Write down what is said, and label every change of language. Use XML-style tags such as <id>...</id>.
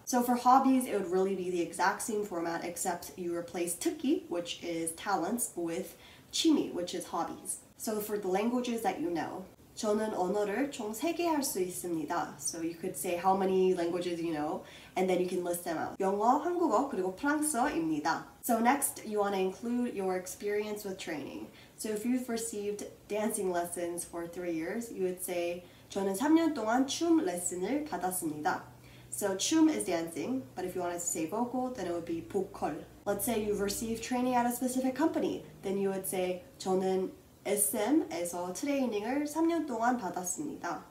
<en>So for hobbies, it would really be the exact same format except you replace 특기, which is talents, with 취미, which is hobbies. So for the languages that you know,</en> <ko>저는 언어를 총 3개 할 수 있습니다.</ko> <en>So you could say how many languages you know, and then you can list them out.</en> <ko>영어, 한국어, 그리고 프랑스어입니다.</ko> <en>So next, you want to include your experience with training. So if you've received dancing lessons for 3 years, you would say</en> <ko>저는 3년 동안 춤 레슨을 받았습니다.</ko> <en>So 춤 is dancing, but if you wanted to say vocal, then it would be 보컬. Let's say you've received training at a specific company, then you would say</en> <ko>저는 SM에서 트레이닝을 3년 동안 받았습니다.</ko>